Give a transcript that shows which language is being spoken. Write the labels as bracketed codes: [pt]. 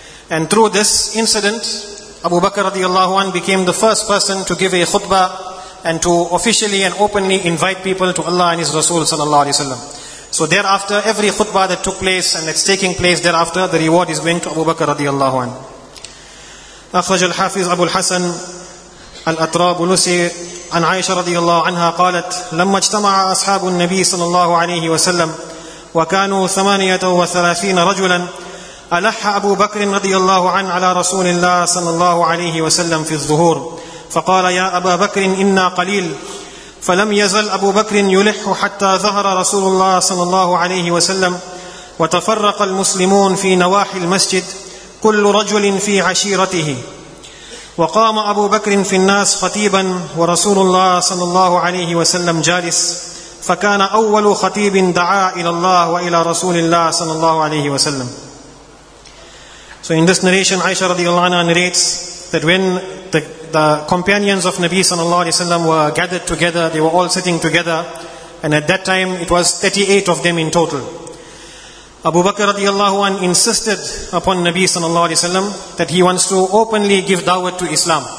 [en] And through this incident, Abu Bakr radiallahu anhu became the first person to give a khutbah and to officially and openly invite people to Allah and His Rasul sallallahu alayhi wa sallam. So thereafter, every khutbah that took place and that's taking place thereafter, the reward is going to Abu Bakr radiallahu anhu. [ar] أخرج الحافظ أبو الحسن الأطرابلسي عن عائشة رضي الله عنها قالت لما اجتمع أصحاب النبي صلى الله عليه وسلم وكانوا 38 رجلا ألح أبو بكر رضي الله عنه على رسول الله صلى الله عليه وسلم في الظهور فقال يا أبا بكر إنا قليل فلم يزل أبو بكر يلح حتى ظهر رسول الله صلى الله عليه وسلم وتفرق المسلمون في نواحي المسجد كل رجل في عشيرته وقام أبو بكر في الناس خطيبا ورسول الله صلى الله عليه وسلم جالس فكان أول خطيب دعا إلى الله وإلى رسول الله صلى الله عليه وسلم. [en] So in this narration, Aisha radiallahu anha narrates that when the companions of Nabi sallallahu alayhi wasallam were gathered together, they were all sitting together, and at that time it was 38 of them in total. Abu Bakr radiallahu anhu insisted upon Nabi sallallahu alayhi wa sallam that he wants to openly give da'wah to Islam.